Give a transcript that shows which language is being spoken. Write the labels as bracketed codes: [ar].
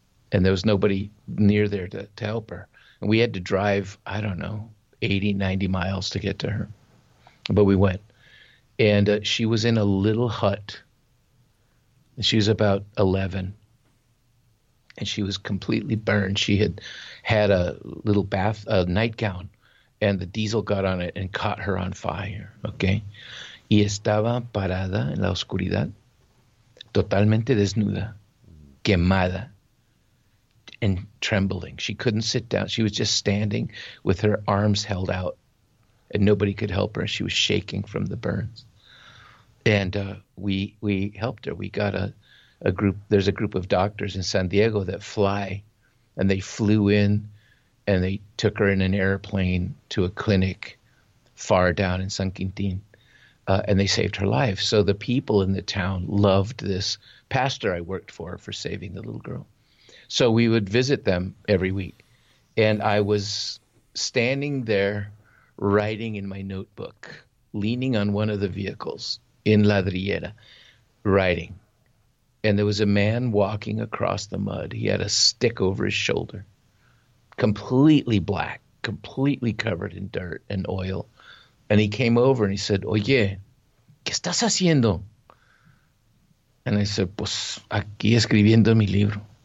[en] And there was nobody near there to help her. And we had to drive, I don't know, 80, 90 miles to get to her. But we went. And she was in a little hut. She was about 11. And she was completely burned. She had had a little bath, a nightgown. And the diesel got on it and caught her on fire. Okay. [es] Y estaba parada en la oscuridad, totalmente desnuda, quemada. [en] And trembling. She couldn't sit down. She was just standing with her arms held out. And nobody could help her. She was shaking from the burns. And we helped her. We got a group. There's a group of doctors in San Diego that fly. And they flew in. And they took her in an airplane to a clinic far down in San Quintín. And they saved her life. So the people in the town loved this pastor I worked for saving the little girl. So we would visit them every week. And I was standing there writing in my notebook, leaning on one of the vehicles in Ladrillera, writing. And there was a man walking across the mud. He had a stick over his shoulder, completely black, completely covered in dirt and oil. And he came over and he said, [es] "Oye, ¿qué estás haciendo?" [en] And I said, [es] "Pues aquí escribiendo mi libro."